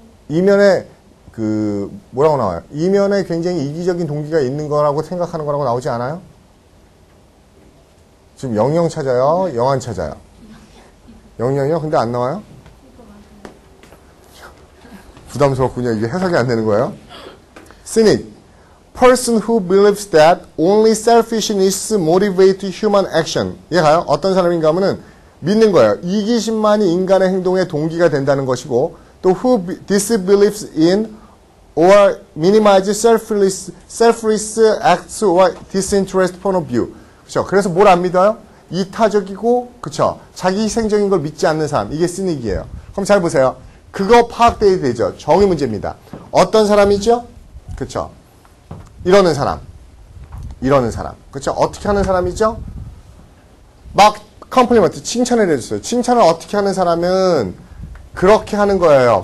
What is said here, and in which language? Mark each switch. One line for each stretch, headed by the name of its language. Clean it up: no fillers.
Korean: 이면에 그 뭐라고 나와요? 이면에 굉장히 이기적인 동기가 있는 거라고 생각하는 거라고 나오지 않아요? 지금 영영 찾아요? 영안 찾아요? 영영이요? 근데 안 나와요? 부담스럽군요. 이게 해석이 안 되는 거예요.
English: Cynic. Person who believes that only selfishness motivates human action.
Korean: 이해 가요? 어떤 사람인가 하면 믿는 거예요. 이기심만이 인간의 행동에 동기가 된다는 것이고 또
English: who disbelieves in or minimizes selfless acts or disinterest point of view.
Korean: 그렇죠? 그래서 뭘 안 믿어요? 이타적이고 그렇죠? 자기 희생적인 걸 믿지 않는 사람. 이게 시닉이에요. 그럼 잘 보세요. 그거 파악돼야 되죠. 정의 문제입니다. 어떤 사람이죠? 그렇죠? 이러는 사람. 이러는 사람. 그렇죠? 어떻게 하는 사람이죠? 막 컴플리먼트, 칭찬을 해줬어요. 칭찬을 어떻게 하는 사람은 그렇게 하는 거예요.